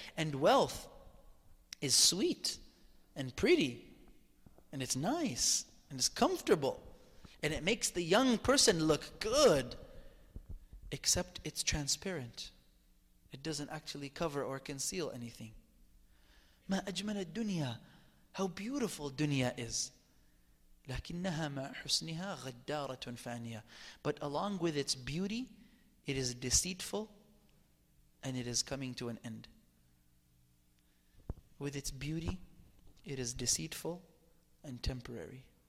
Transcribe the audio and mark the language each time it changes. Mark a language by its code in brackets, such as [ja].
[en] And wealth is sweet and pretty and it's nice and it's comfortable and it makes the young person look good, except it's transparent. It doesn't actually cover or conceal anything. [ar] ما أجمل الدنيا. [en] How beautiful dunya is. [ar] لكنها مع حسنها غدارة فانية. [en] But along with its beauty, it is deceitful and it is coming to an end. With its beauty, it is deceitful and temporary.